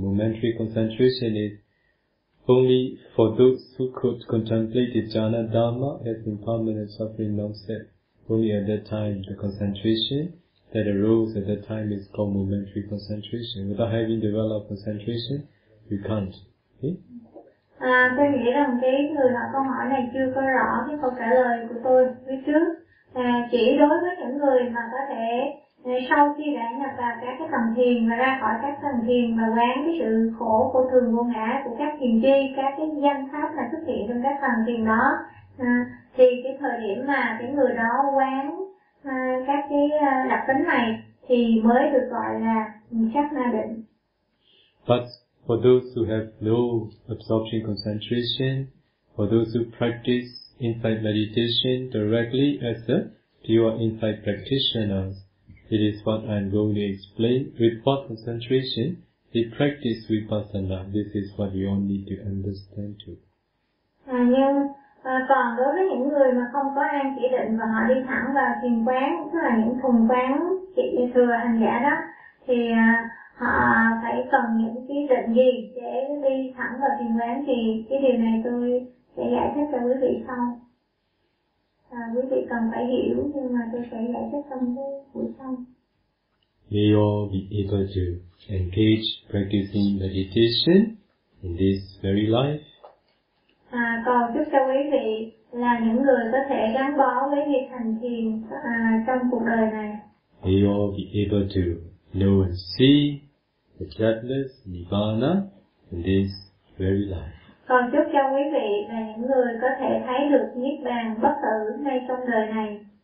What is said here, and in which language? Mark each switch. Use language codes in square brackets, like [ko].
[en] Momentary concentration is only for those who could contemplate the jhana dharma as impermanent suffering non-self. Only at that time the concentration that arose at that time is called momentary concentration. Without having developed concentration, you can't. Okay? [vi] À, tôi nghĩ rằng cái người hỏi câu hỏi này chưa có rõ cái câu trả lời của tôi phía trước. Chỉ đối với những người mà có thể sau khi đã nhập vào các cái tầng thiền và ra khỏi các tầng thiền mà quán cái sự khổ của thường vô ngã của các thiền tri, các cái danh pháp là xuất hiện trong các tầng thiền đó, thì cái thời điểm mà cái người đó quán các cái đặc tính này thì mới được gọi là sát na định. [en] But for those who have no absorption concentration, for those who practice insight meditation directly as a pure insight practitioner, it is what I am going to explain. With what concentration, the practice vipassana, this is what you all need to understand too. [vi] Nhưng Còn đối với những người mà không có an chỉ định và họ đi thẳng vào thiền quán, tức là những thùng quán chỉ thừa hành giả đó, thì họ phải cần những cái định gì để đi thẳng vào thiền quán, thì cái điều này tôi sẽ giải thích cho quý vị sau. Quý vị cần phải hiểu, nhưng mà tôi sẽ giải thích trong buổi sau. [en] May you all be able to engage practicing meditation in this very life. [vi] Còn chúc cho quý vị là những người có thể gắn bó với việc hành thiền trong cuộc đời này. [en] May you all be able to know and see the deathless nirvana in this very life. [vi] Còn chúc cho quý vị là những người có thể thấy được niết bàn bất tử ngay trong đời này.